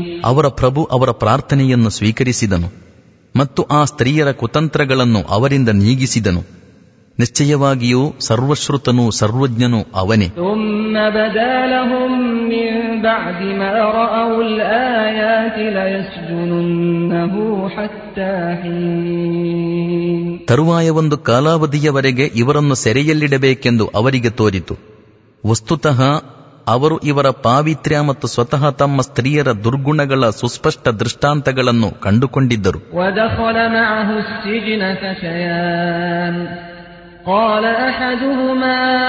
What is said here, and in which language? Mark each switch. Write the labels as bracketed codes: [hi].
[kn] ಅವರ ಪ್ರಭು ಅವರ ಪ್ರಾರ್ಥನೆಯನ್ನು ಸ್ವೀಕರಿಸಿದನು ಮತ್ತು ಆ ಸ್ತ್ರೀಯರ ಕುತಂತ್ರಗಳನ್ನು ಅವರಿಂದ ನೀಗಿಸಿದನು. ನಿಶ್ಚಯವಾಗಿಯೂ ಸರ್ವಶ್ರುತನೂ ಸರ್ವಜ್ಞನೂ ಅವನೇ. [ar] ثم بدا لهم من بعد ما رأوا الآيات ليسجننه حتى حين. [kn] ತರುವಾಯ ಒಂದು ಕಾಲಾವಧಿಯವರೆಗೆ ಇವರನ್ನು ಸೆರೆಯಲ್ಲಿಡಬೇಕೆಂದು ಅವರಿಗೆ ತೋರಿತು. ವಸ್ತುತಃ ಅವರು ಇವರ ಪಾವಿತ್ರ್ಯ ಮತ್ತು ಸ್ವತಃ ತಮ್ಮ ಸ್ತ್ರೀಯರ ದುರ್ಗುಣಗಳ ಸುಸ್ಪಷ್ಟ ದೃಷ್ಟಾಂತಗಳನ್ನು ಕಂಡುಕೊಂಡಿದ್ದರು. [ar] ودخل معه السجن فشيان قال أحدهما